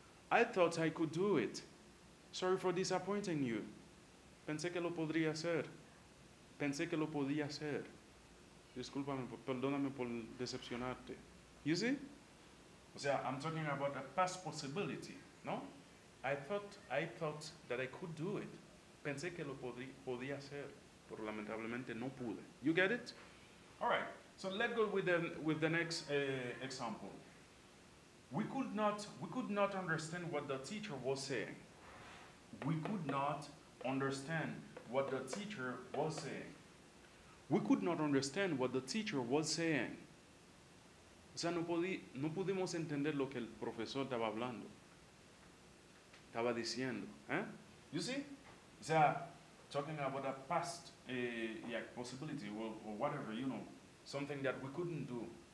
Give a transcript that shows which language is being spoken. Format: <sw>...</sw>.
<en>I thought I could do it. Sorry for disappointing you.</en> <es>Pensé que lo podría hacer. Pensé que lo podía hacer. Discúlpame, perdóname por decepcionarte.</es> <en>You see?</en> <es>O sea,</es> <en>I'm talking about a past possibility, no? I thought that I could do it.</en> <es>Pensé que lo podía hacer, pero lamentablemente no pude.</es> <en>You get it? All right. So let's go with the next example. We could not understand what the teacher was saying. We could not understand what the teacher was saying. We could not understand what the teacher was saying.</en> <es>O sea, no pudimos entender lo que el profesor estaba hablando. Estaba diciendo, ¿eh?</es> <en>You see?</en> <es>O sea,</es> <en>talking about a past possibility or whatever, you know, something that we couldn't do.</en>